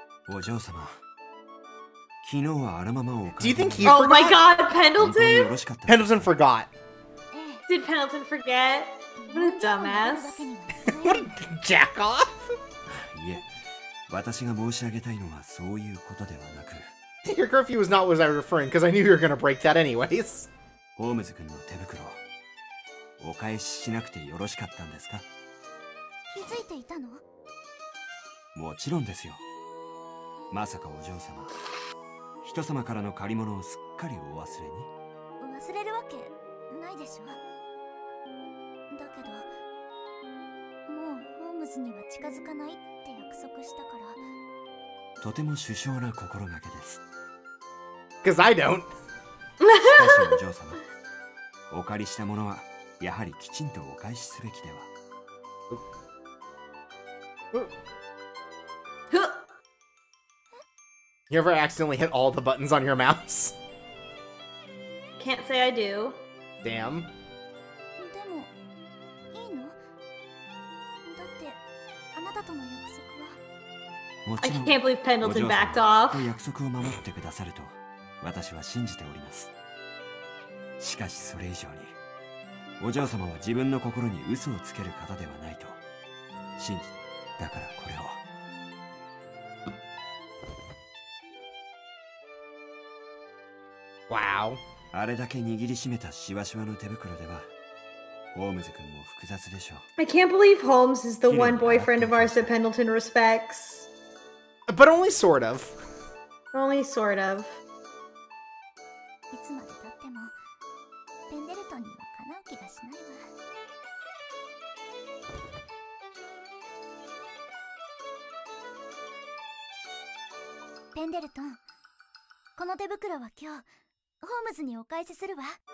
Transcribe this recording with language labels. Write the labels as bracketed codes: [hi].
[ja] お嬢様、昨日はあのままお帰り。 [en] Oh my God, Pendleton! Pendleton forgot. Did Pendleton forget? What a dumbass. What a jackoff! [ja] いえ、私が申し上げたいのはそういうことではなく。 [en] Your curfew is not what I was referring, because I knew you were going to break that anyways. [ja] Holmes 君の手袋、お返ししなくてよろしかったんですか？気づいていたの？もちろんですよ。まさかお嬢様、人様からの借り物をすっかりお忘れに？忘れるわけないでしょ。だけど、もうホームズには近づかないって約束したから。とても殊勝な心がけです。 [en] Cause I don't. [ja] しかしお嬢様、お借りしたものはやはりきちんとお返しすべきでは。 [en] You ever accidentally hit all the buttons on your mouse? Can't say I do. Damn. [ja] でもいいの？だってあなたとの約束は。 [en] I can't believe Pendleton backed off. [ja] 約束を守ってくださると私は信じております。しかしそれ以上にお嬢様は自分の心に嘘をつける方ではないと信じ、だからこれを。わお、あれだけ握りしめたシワシワの手袋ではホームズ君も複雑でしょう。 [en] I can't believe Holmes is the one boyfriend of ours that Pendleton respects. But only sort of. Only sort of. [ja] いつまでたってもペンデルトンにはかなう気がしないわ。ペンデルトン、この手袋は今日ホームズにお返しするわ。